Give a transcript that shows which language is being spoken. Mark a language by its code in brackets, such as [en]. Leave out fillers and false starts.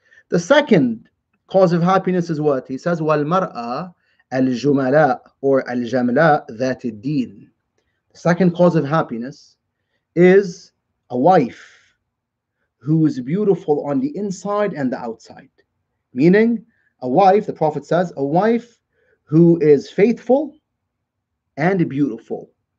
[en] The second cause of happiness is what? He says, [ar] وَالْمَرْأَى الْجُمَلَاء [en] or [ar] الْجَمْلَاء ذَاتِ الدِّينِ. [en] The second cause of happiness is a wife who is beautiful on the inside and the outside. Meaning, a wife, the Prophet says, a wife who is faithful and beautiful.